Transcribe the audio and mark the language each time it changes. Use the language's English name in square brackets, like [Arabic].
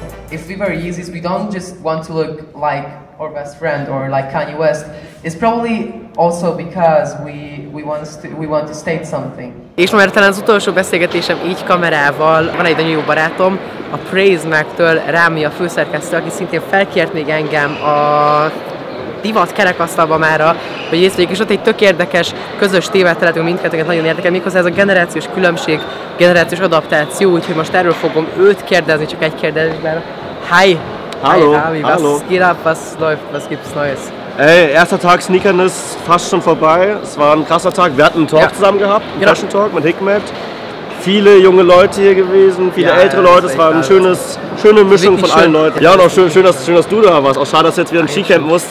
[English] If we wear Yeezys, we don't just want to look like our best friend or like Kanye West. It's probably also because we want to state something. [Hungarian] És már talán az utolsó beszélgetésem így kamerával, van egy nagyon jó barátom, a Praise Mac-től Rámi a főszerkesztő, aki szintén felkért még engem a divat kerekasztalba mára, hogy részt vegyek, és ott egy tök érdekes közös témát találtunk mindkettőket, nagyon érdekel, méghozzá ez a generációs különbség, generációs adaptáció, úgyhogy most erről fogom őt kérdezni, csak egy kérdésben. [English] Hi! [German] Hallo, Rami, hallo. Was geht ab, was läuft, was gibt's Neues? Ey, erster Tag Sneakern ist fast schon vorbei. Es war ein krasser Tag. Wir hatten einen Talk zusammen gehabt, einen Fashion Talk mit Hikmet. Viele junge Leute hier gewesen, viele ältere Leute. Es war eine schöne Mischung von allen Leuten. Ja, und auch schön, dass du da warst. Auch schade, dass du jetzt wieder ein Skicamp musst.